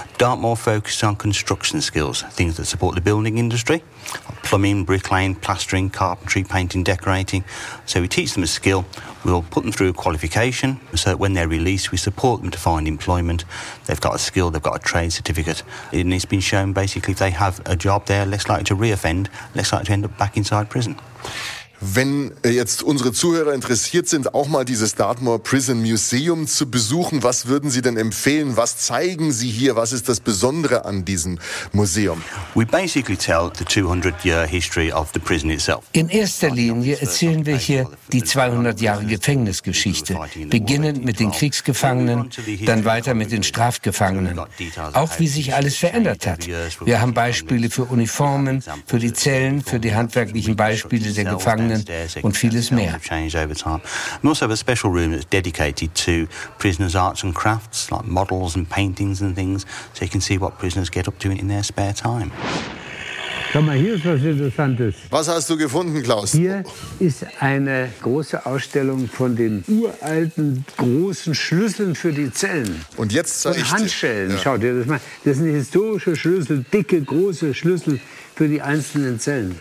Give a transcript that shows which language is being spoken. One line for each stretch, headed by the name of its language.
English: Dartmoor focuses on construction skills, things that support the building industry, plumbing, bricklaying, plastering, carpentry, painting, decorating. So we teach them a skill, we'll put them through a qualification, so that when they're released, we support them to find employment. They've got a skill, they've got a trade certificate, and it's been shown basically if they have a job, they're less likely to reoffend, less likely to end up back inside prison.
German: Wenn jetzt unsere Zuhörer interessiert sind, auch mal dieses Dartmoor Prison Museum zu besuchen, was würden Sie denn empfehlen? Was zeigen Sie hier? Was ist das Besondere an diesem Museum?
English: We basically tell the 200-year history of the prison itself.
German: In erster Linie erzählen wir hier die 200 Jahre Gefängnisgeschichte, beginnend mit den Kriegsgefangenen, dann weiter mit den Strafgefangenen. Auch wie sich alles verändert hat. Wir haben Beispiele für Uniformen, für die Zellen, für die handwerklichen Beispiele der Gefangenen. Und vieles mehr.
English: We also have a special room that's dedicated to prisoners' arts and crafts, like models and paintings and things, so you can see what prisoners get up to in their spare time.
German: Schau mal, hier ist was Interessantes. Was hast du gefunden, Klaus? Hier ist eine große Ausstellung von den uralten großen Schlüsseln für die Zellen. Und jetzt zeige ich Handschellen. Ja. Schau dir das mal. Das sind historische Schlüssel, dicke, große Schlüssel für die einzelnen Zellen.